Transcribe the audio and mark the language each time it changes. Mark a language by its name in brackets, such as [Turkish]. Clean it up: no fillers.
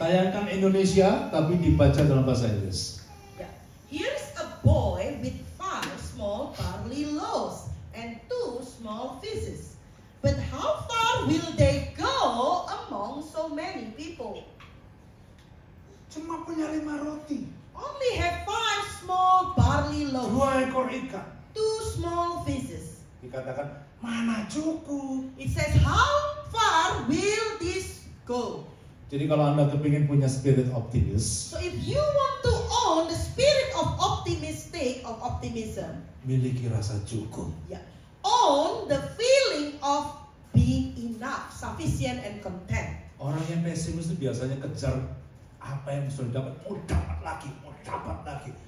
[Indonesian] Tayangkan Indonesia tapi dibaca dalam bahasa Inggris. [English] Yeah. Here's a boy with 5 small barley loaves and 2 small fishes. But how far will they go among so many people? [Indonesian] Cuma punya 5 roti. [English] Only have 5 small barley loaves. [Indonesian] 2 ekor ikan. [English] 2 small fishes. [Indonesian] Dikatakan mana cukup? [English] It says how far will this go? [Indonesian] Jadi kalau Anda kepingin punya [English] spirit optimist, so if you want to own the spirit of optimistic of optimism, [Indonesian] miliki rasa cukup. [English] Yeah. Own the feeling of being enough, sufficient and content. [Indonesian] Orang yang pesimis itu biasanya kejar apa yang sudah dapat, mau dapat lagi.